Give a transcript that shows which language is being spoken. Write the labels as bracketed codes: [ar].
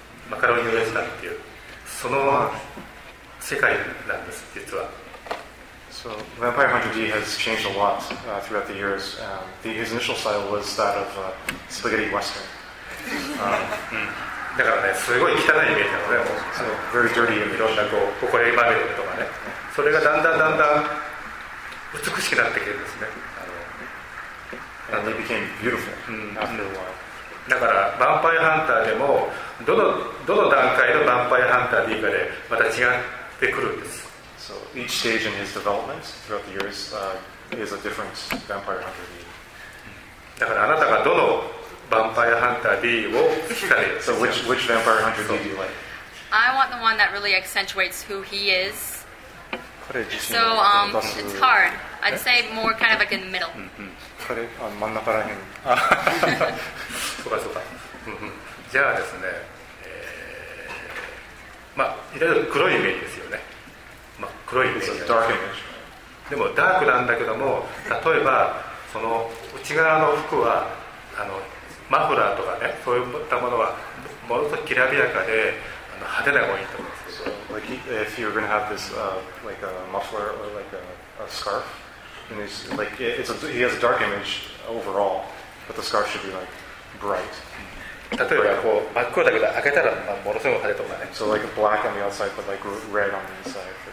[ja] マカロニおじさんっていうその世界なんです、実は。 [en] So, Vampire Hunter D has changed a lot throughout the years. His initial style was that of spaghetti western. [ja] だからね、すごい汚いイメージなのね、もう、 [en] very dirty and [ja] いろんなこう、ほこりまみれとかね、それがだんだんだんだん美しくなってきてるんですね。 [en] And they became beautiful after a while. [ja] だから、ヴァンパイアハンターでも、どの段階のヴァンパイアハンター D かで、また違ってくるんです。 [en] So, each stage in his development throughout the years is a different Vampire Hunter D. [ja] だからあなたがどのヴァンパイアハンター D を聞かれる。 [en] So, which Vampire Hunter D do you like? I want the one that really accentuates who he is. So, it's hard. I'd say more kind of like in the middle. [ja] これ、真ん中らへん。そうかそうか。じゃあですね、まあ、いろいろ黒いイメージですよね。まあ、黒いイメージ。 [en] It's a dark image. [ja] でもダークなんだけども、例えばその内側の服はマフラーとかね、そういったものはものすごくきらびやかで派手な方がいいと思います。 [en] So, like, if you're gonna have this like a muffler or like a scarf, then it's like he has a dark image overall, but the scarf should be like bright. [ja] 例えばこう真っ黒だけど開けたらまあものすごく派手とかね。 [en] So like black on the outside but like red on the inside.